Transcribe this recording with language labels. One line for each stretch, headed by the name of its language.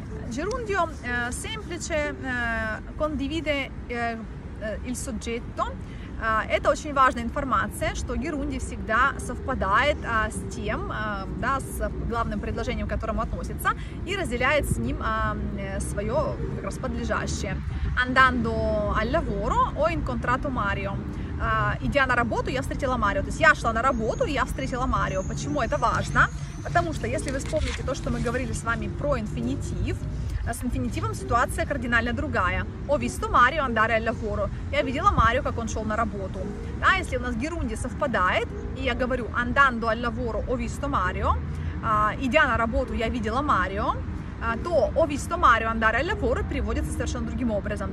Italian: Gerundio semplice condivide il soggetto.
Russian: Это очень важная информация, что герунди всегда совпадает с тем, да, с главным предложением, к которому относится, и разделяет с ним свое как раз подлежащее.
Italian: Andando al lavoro ho incontrato Mario.
Russian: Идя на работу, я встретила Марио. То есть я шла на работу, я встретила Марио. Почему это важно? Потому что, если вы вспомните то, что мы говорили с вами про инфинитив, с инфинитивом ситуация кардинально другая.
Italian: «Ho visto Mario andare al lavoro».
Russian: Я видела Марио, как он шел на работу. Да, если у нас герунди совпадает, и я говорю
Italian: «andando al lavoro ho visto Mario»,
Russian: идя на работу, я видела Марио, то
Italian: «ho visto Mario andare al lavoro»
Russian: переводится совершенно другим образом.